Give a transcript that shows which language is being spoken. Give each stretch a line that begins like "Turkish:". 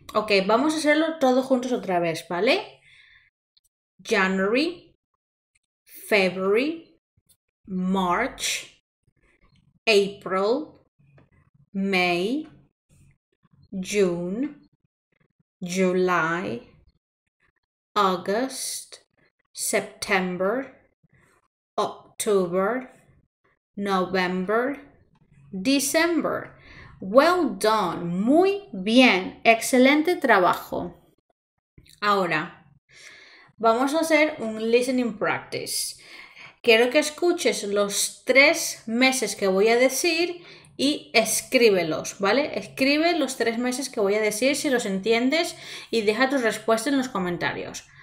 Spanish: Okay, vamos a hacerlo todos juntos otra vez, ¿vale?
English: January, February, March, April, May, June, July, August, September, October, November, December. Well done.
Spanish: Muy bien. Excelente trabajo. Ahora vamos a hacer un listening practice. Quiero que escuches los tres meses que voy a decir y escríbelos, ¿vale? Escribe los tres meses que voy a decir si los entiendes y deja tu respuesta en los comentarios.